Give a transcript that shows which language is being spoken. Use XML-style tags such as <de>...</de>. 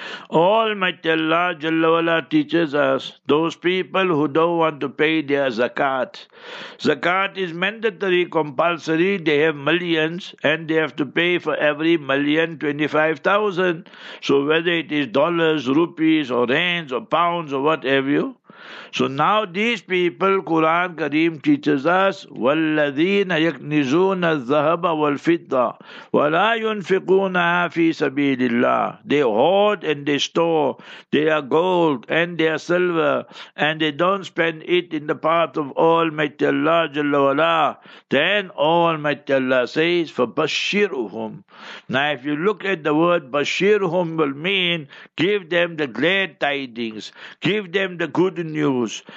<en>Almighty Allah Jalla Wala teaches us, those people who don't want to pay their zakat. Zakat is mandatory, compulsory. They have millions and they have to pay for every million 25,000. So whether it is dollars, rupees or rands or pounds or what have you. So now these people, Quran Kareem teaches us,</en> <ar>وَالَّذِينَ يَكْنِزُونَ الذَّهَبَ وَالْفِضَّةِ وَلَا يُنْفِقُونَهَا فِي سَبِيلِ اللَّهِ.</ar> <en>They hoard and they store their gold and their silver, and they don't spend it in the path of Almighty Allah Jalla Wala. Then Almighty Allah says,</en> <ar>فَبَشِّرُهُمْ.</ar> <en>Now if you look at the word بَشِّرُهُمْ will mean, give them the glad tidings, give them the good news.</en>